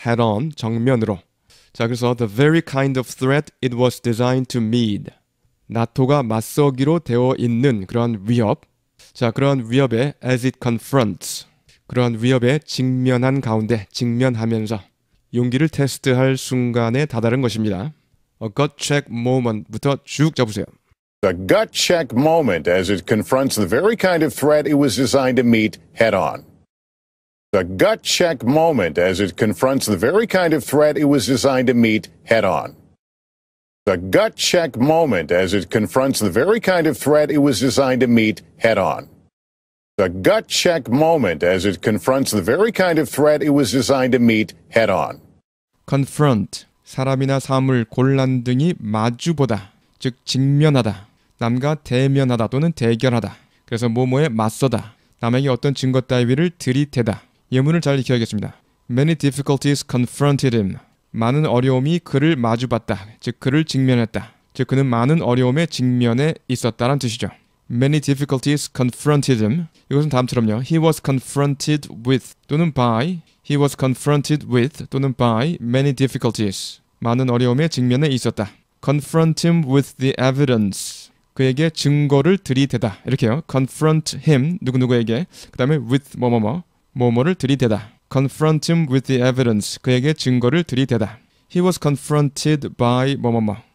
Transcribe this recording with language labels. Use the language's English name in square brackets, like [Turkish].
[English] head on, [Korean] 정면으로. 자, 그래서 [English] the very kind of threat it was designed to meet. [Korean] 나토가 맞서기로 되어 있는 그러한 위협. 자, 그러한 위협에 [English] as it confronts. [Korean] 그러한 위협에 직면한 가운데, 직면하면서 용기를 테스트할 순간에 다다른 것입니다. [English] A gut check moment부터 [Korean] 쭉 잡으세요. [English] The gut check moment as it confronts the very kind of threat it was designed to meet head on. The gut check moment as it confronts the very kind of threat it was designed to meet head on. The gut check moment as it confronts the very kind of threat it was designed to meet head on. The gut check moment as it confronts the very kind of threat it was designed to meet head on. [Korean] Confront 사람이나 사물 곤란 등이 마주보다 즉 직면하다, 남과 대면하다 또는 대결하다. 그래서 뭐뭐에 맞서다, 남에게 어떤 증거 따위를 들이대다. 예문을 잘 익혀야겠습니다. [English] Many difficulties confronted him. [Korean] 많은 어려움이 그를 마주봤다, 즉 그를 직면했다. 즉 그는 많은 어려움에 직면해 있었다란 뜻이죠. [English] Many difficulties confronted him. [Korean] 이것은 다음처럼요. [English] He was confronted with 또는 by. He was confronted with 또는 by many difficulties. [Korean] 많은 어려움에 직면해 있었다. [English] Confront him with the evidence. [Korean] 그에게 증거를 들이대다. 이렇게요. [English] Confront him, [Korean] 누구누구에게. 그 다음에 with 뭐뭐뭐. 뭐뭐를 들이대다. [English] Confront him with the evidence. [Korean] 그에게 증거를 들이대다. [English] He was confronted by 뭐뭐뭐.